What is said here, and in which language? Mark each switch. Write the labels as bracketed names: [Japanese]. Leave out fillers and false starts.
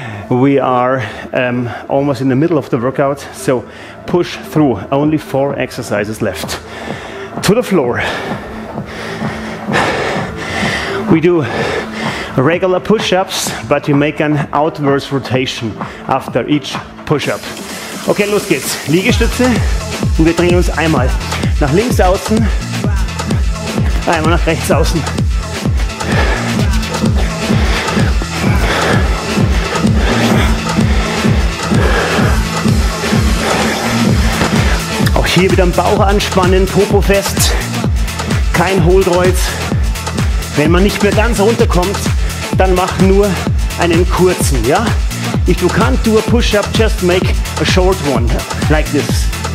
[English] We are almost in the middle of the workout, so push through. Only four exercises left. To the floor. We do regular push-ups, but you make an outwards rotation after each push-up. [German] Okay, los geht's. Liegestütze und wir drehen uns einmal nach links außen, einmal nach rechts außen. Hier wieder den Bauch anspannen, Popo fest, kein Hohlkreuz. Wenn man nicht mehr ganz runterkommt, dann mach nur einen kurzen, ja? [English] If you can't do a push-up, just make a short one, like this.